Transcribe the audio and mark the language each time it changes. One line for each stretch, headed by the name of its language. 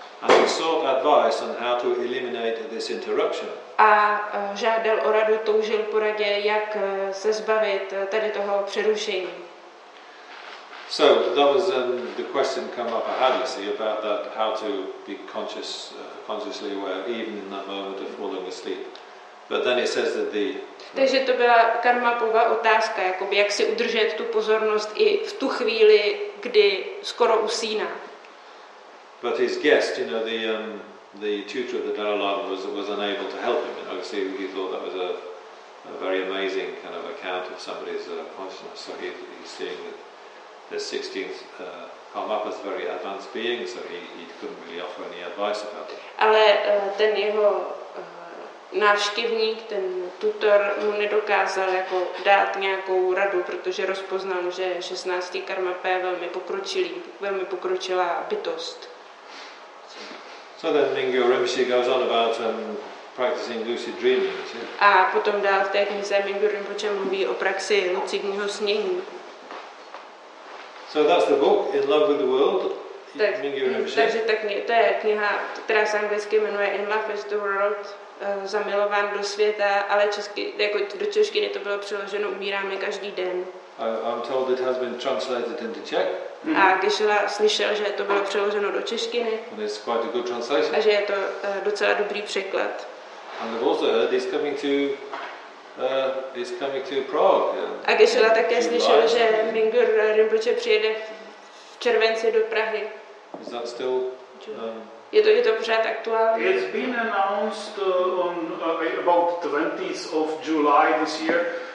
English: And he sought advice on how to eliminate this interruption.
Czech: A žádal o radu, toužil po radě, jak se zbavit tady toho přerušení.
English: So that was the question come up hadlessly about that, how to be conscious, consciously aware, even in that moment of falling asleep. But then it says that the.
Czech: Takže to byla Karmapova otázka, jakoby, jak si udržet tu pozornost i v tu chvíli, kdy skoro usíná.
English: But his guest, you know, the tutor of the Dalai Lama was unable to help him. And obviously, he thought that was a very amazing kind of account of somebody's consciousness. So he's seeing that the 16th Karmapa is a very advanced being, so he couldn't really offer any advice about it.
Czech: Ale ten jeho návštěvník, ten tutor, mu nedokázal jako dát nějakou radu, protože rozpoznal, že 16. Karmapa je velmi pokročilá bytost.
English: So then Mingyo Rinpoche goes on about practicing lucid dreaming.
Czech: A potom dál v té knize Mingyo Rinpoche mluví o praxi lucidního snění.
English: So that's the book In Love with the World.
Czech: Tak, Mingyo Rinpoche. Takže ta kniha, to je kniha, která se anglicky jmenuje In Love with the World, zamilován do světa, ale česky, jako do češtiny to bylo přeloženo Umíráme každý den.
English: I'm told it has been translated into Czech.
Czech: Mm-hmm. A když slyšel, že to bylo přeloženo do češtiny.
English: And it's quite a good translation.
Czech: A že je to docela dobrý překlad.
English: And I've also heard it's coming to Prague.
Czech: A když také slyšel, že Mingyur Rinpoche přijede v červenci do Prahy.
English: Is that still?
Czech: Je to pořád aktuální?
English: It's been announced about 20th of July this year.